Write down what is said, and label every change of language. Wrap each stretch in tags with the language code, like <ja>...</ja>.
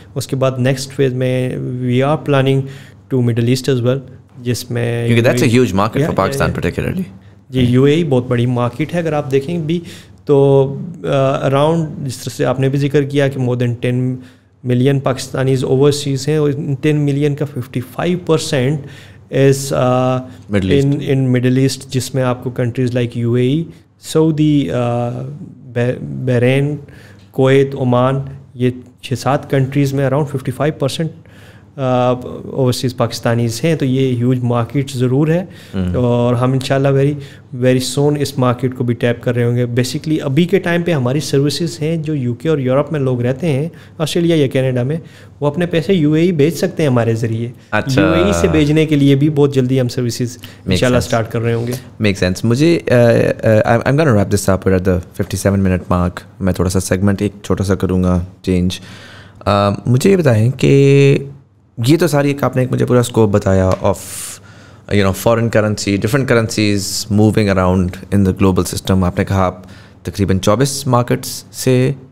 <ur>Uske baad</ur> <en>next phase mein, we are planning to Middle East as well,</en> <ur>jis mein</ur> <en>UAE. That's a huge market, yeah, for Pakistan, yeah, yeah. Particularly.</en> <ur>Ji, UAE bahut badi market hai, agar aap dekhein bhi. تو around جس طرح سے آپ نے بھی ذکر کیا کہ مور دین 10 million پاکستانیز اوورسیز ہیں, اور ان 10 million کا 55% از ان مڈل ایسٹ, جس میں آپ کو countries like you a E, Saudi, Bahrain, Kuwait, Oman, یہ 6-7 کنٹریز میں اراؤنڈ 55% اوورسیز پاکستانیز ہیں. تو یہ ہیوج مارکیٹ ضرور ہے, اور ہم انشاءاللہ</ur> <en>very very soon</en> <ur>اس مارکیٹ کو بھی ٹیپ کر رہے ہوں گے. بیسیکلی ابھی کے ٹائم پہ ہماری سروسز ہیں جو یو کے اور یورپ میں لوگ رہتے ہیں, آسٹریلیا یا کینیڈا میں, وہ اپنے پیسے یو اے ای بھیج سکتے ہیں ہمارے ذریعے. اچھا, یو اے ای سے بھیجنے کے لیے بھی بہت جلدی ہم سروسز انشاءاللہ اسٹارٹ کر رہے ہوں گے.</ur> <en>Make sense. مجھے I'm gonna wrap this up at the 57-minute mark.</en> <ur>میں تھوڑا سا سیگمنٹ ایک چھوٹا سا کروں گا چینج. مجھے یہ بتائیں کہ یہ تو ساری ایک آپ نے ایک مجھے پورا اسکوپ بتایا</ur> <en>Of you know foreign currency, different currencies moving around in the global system.</en> <ur>آپ نے کہا آپ تقریباً 24 markets سے</ur>